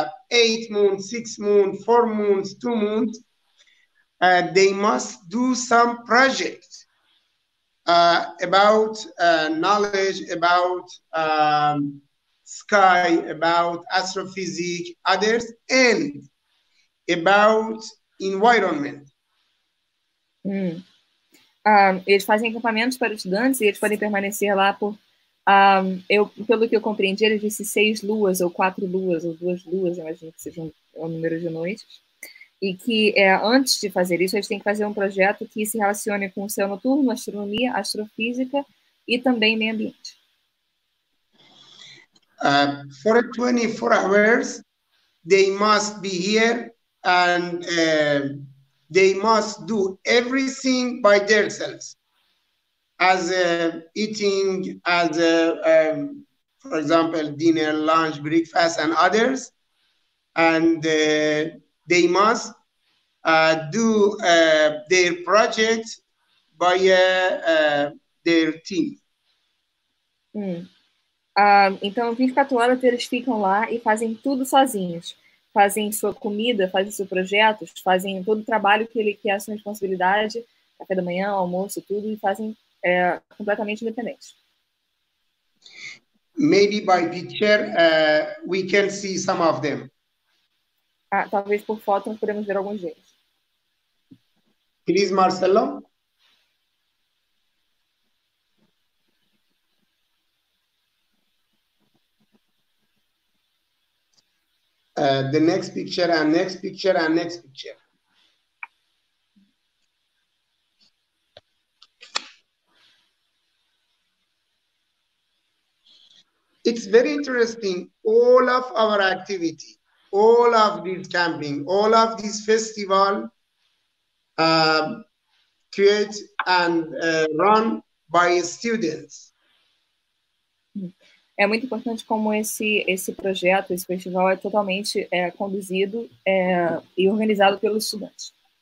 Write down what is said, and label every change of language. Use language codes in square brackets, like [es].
[en] 8 months, 6 months, 4 months, 2 months, they must do some project about knowledge, about sky, about astrophysics, others, and about environment. [pt] Eles fazem acampamentos para estudantes e eles podem permanecer lá por... pelo que eu compreendi, ele disse 6 luas, ou 4 luas, ou 2 luas, imagino que seja o número de noites. E que antes de fazer isso, a gente tem que fazer um projeto que se relacione com o céu noturno, astronomia, astrofísica e também meio ambiente. [en] For 24 hours, they must be here and they must do everything by themselves. As eating, as for example, dinner, lunch, breakfast, and others, and they must do their project by their team. [pt] Então, 24 horas eles ficam lá e fazem tudo sozinhos, fazem sua comida, fazem seus projetos, fazem todo o trabalho que ele que é a sua responsabilidade, café da manhã, almoço, tudo, e fazem completamente independente. [en] Maybe by picture we can see some of them. [pt] Talvez por foto nós podemos ver alguns deles. [en] Please, Marcelo. The next picture and next picture and next picture. It's very interesting, all of our activity, all of this camping, all of this festival create and run by students. [pt] É muito importante como esse projeto, esse festival é totalmente conduzido e organizado pelos estudantes.